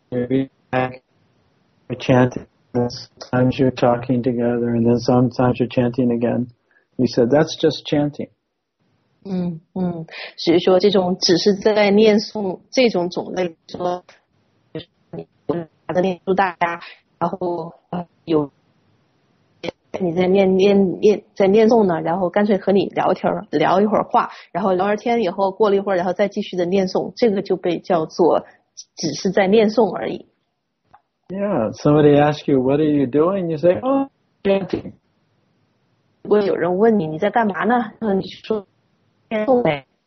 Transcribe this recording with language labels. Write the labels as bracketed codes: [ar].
[en] You're chanting, sometimes you're talking together, and then sometimes you're chanting again. He said, that's just chanting. [zh] 所以说这种只是在念诵这种种类，说你在念诵大家，然后有你在念诵呢，然后干脆和你聊天聊一会儿话，然后聊完天以后过了一会儿，然后再继续的念诵，这个就被叫做只是在念诵而已。 [en] Yeah, somebody asks you, what are you doing? You say, oh, chanting. [zh] 如果有人问你在干嘛呢，你说念诵呗。